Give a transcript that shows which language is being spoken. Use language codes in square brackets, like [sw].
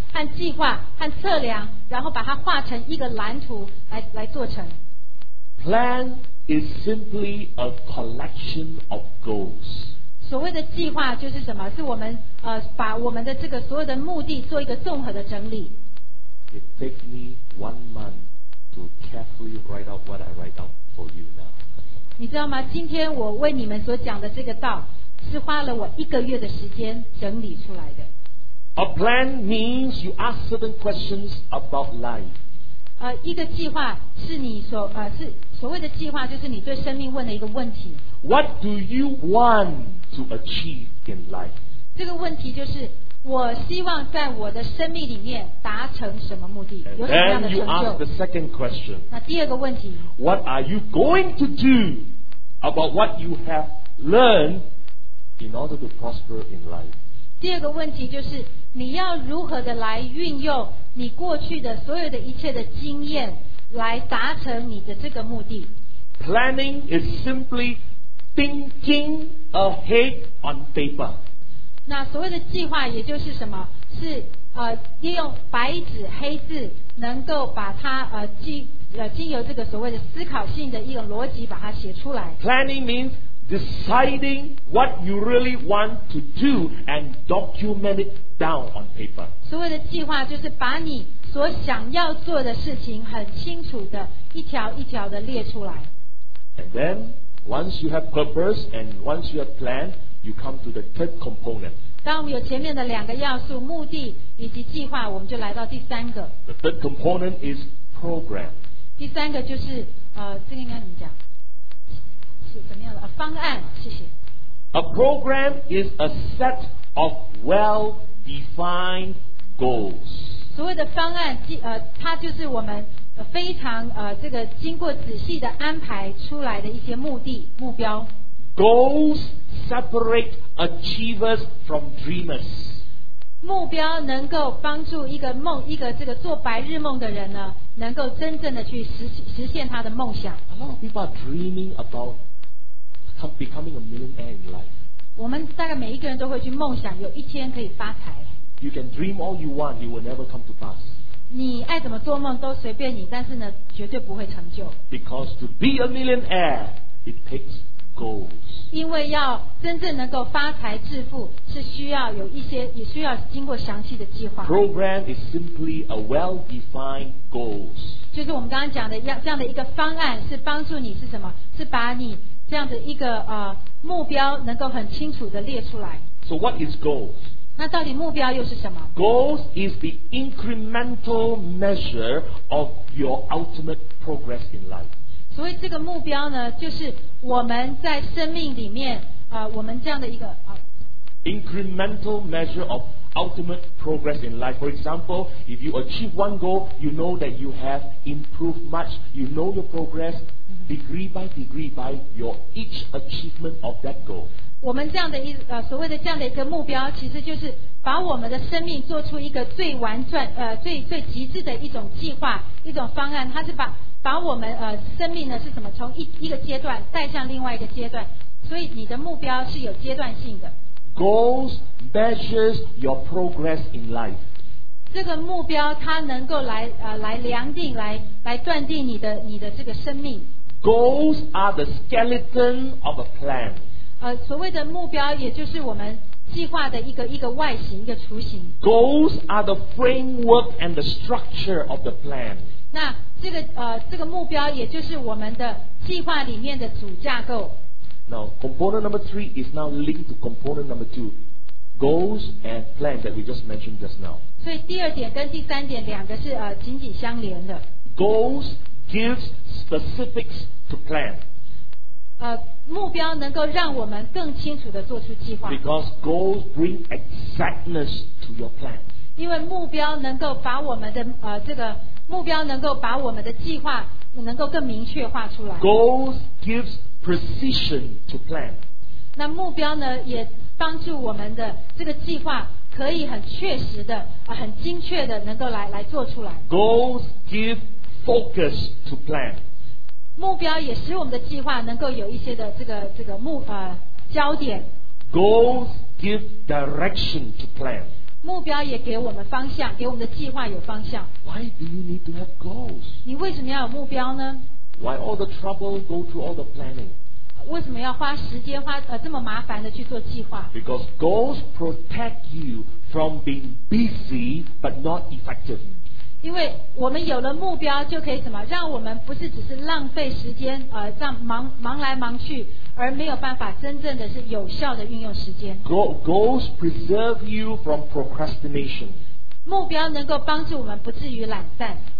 [zh] 和计划和测量，然后把它画成一个蓝图 来做成。 [en] Plan is simply a collection of goals. [zh] 所谓的计划就是什么？是我们把我们的这个所有的目的做一个综合的整理。 [en] It takes me 1 month to carefully write out what I write out for you now. [zh] 你知道吗？今天我为你们所讲的这个道，是花了我一个月的时间整理出来的。 [en] A plan means you ask certain questions about life. [zh] 一个计划是你所是所谓的计划，就是你对生命问的一个问题。 [en] What do you want to achieve in life? [zh] 这个问题就是我希望在我的生命里面达成什么目的，有什么样的成就。 [en] Then you ask the second question. [zh] 那第二个问题。 [en] What are you going to do about what you have learned in order to prosper in life? [zh] 第二个问题就是你要如何的来运用你过去的所有的一切的经验来达成你的这个目的。 [en] Planning is simply thinking ahead on paper. [zh] 那所谓的计划也就是什么？是利用白纸黑字能够把它经由这个所谓的思考性的一个逻辑把它写出来。 [en] Planning meansDeciding what you really want to do and document it down on paper. [zh] 所谓的计划就是把你所想要做的事情很清楚的一条一条的列出来。 [en] And then, once you have purpose and once you have plan, you come to the third component. [zh] 当我们有前面的两个要素，目的以及计划，我们就来到第三个。 [en] The third component is program. [zh] 第三个就是这个应该怎么讲？怎么样了？方案，谢谢。 [en] A program is a set of well-defined goals. [zh] 所谓的方案，它就是我们非常这个经过仔细的安排出来的一些目的目标。 [en] Goals separate achievers from dreamers. [zh] 目标能够帮助一个梦，一个这个做白日梦的人呢，能够真正的去实现他的梦想。 [en] A lot of people are dreaming aboutbecoming a millionaire in life. [zh] 我们大概每一个人都会去梦想有一天可以发财。 [en] You can dream all you want, you will never come to pass. [zh] 你爱怎么做梦都随便你，但是呢，绝对不会成就。 [en] Because to be a millionaire, it takes goals. [zh] 因为要真正能够发财致富，是需要有一些，也需要经过详细的计划。 [en] Program is simply a well-defined goals. [zh] 就是我们刚刚讲的这样的一个方案，是帮助你是什么？是把你这样的一个目标能够很清楚的列出来。 [en] So what is goals? [zh] 那到底目标又是什么？ [en] Goals is the incremental measure of your ultimate progress in life. [zh] 所以这个目标呢，就是我们在生命里面，我们这样的一个 [en] incremental measure of ultimate progress in life. For example, if you achieve one goal, you know that you have improved much. You know your progress degree by degree by your each achievement of that goal. [zh] 我们这样的所谓的这样的一个目标，其实就是把我们的生命做出一个最完善最极致的一种计划，一种方案。它是把我们生命呢是什么，从一个阶段带向另外一个阶段。所以你的目标是有阶段性的。 [en] Goals measures your progress in life. [zh] 这个目标它能够来量定来断定你的这个生命。 [en] Goals are the skeleton of a plan. [zh] 所谓的目标也就是我们计划的一个外形，一个雏形。 [en] Goals are the framework and the structure of the plan. [zh] 那这个目标也就是我们的计划里面的主架构。 [en] Now, component number three is now linked to component number two, goals and plan that we just mentioned just now. [zh] 所以第二点跟第三点两个是紧紧相连的。 [en] Goals gives specifics to plan. [zh] 目标能够让我们更清楚地做出计划。 [en] Because goals bring exactness to your plan. [zh] 因为目标能够把我们的这个目标能够把我们的计划能够更明确化出来。 [en] Goals gives precision to plan. [zh] 那目标呢，也帮助我们的这个计划可以很确实的、很精确的能够来做出来。 [en] Goals give focus to plan. [zh] 目标也使我们的计划能够有一些的这个焦点。 [en] Goals give direction to plan. [zh] 目标也给我们方向，给我们的计划有方向。 [en] Why do you need to have goals? [zh] 你为什么要有目标呢？ [en] Why all the trouble go to all the planning? [zh] 为什么要花时间花这么麻烦的去做计划？ [en] Because goals protect you from being busy but not effective. [zh] 因为我们有了目标，就可以什么让我们不是只是浪费时间，这样忙来忙去，而没有办法真正的是有效的运用时间。 [en] Goals preserve you from procrastination. [zh] 目标能够帮助我们不至于懒散。